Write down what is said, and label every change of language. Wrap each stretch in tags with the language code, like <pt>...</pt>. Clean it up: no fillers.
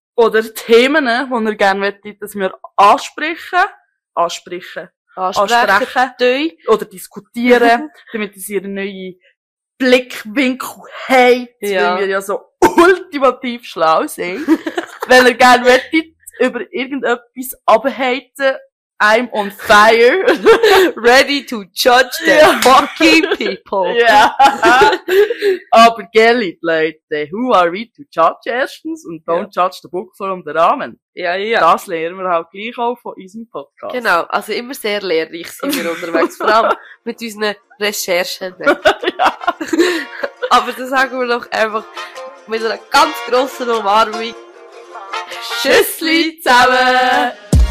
<de>Oder Themen, die ihr gerne möchtet, dass wir ansprechen. Ansprechen. Oder diskutieren. Damit es ihr neue Blickwinkel habt. Ja. Weil wir ja so ultimativ schlau sind. Wenn ihr gerne möchtet, über irgendetwas abhaten.</de> <en>I'm on fire. Ready to judge the fucking people.</en> <de>Ja. Aber gell, Leute,</de> <en>who are we to judge</en> <de>erstens? Und</de> <en>don't judge the book from the</en> <de>Rahmen. Ja, ja. Das lernen wir halt gleich auch von unserem Podcast. Genau. Also immer sehr lehrreich sind wir unterwegs. Vor allem mit unseren Recherchen. Ja. Aber das sagen wir doch einfach mit einer ganz grossen Umarmung. Tschüssli zusammen!</de>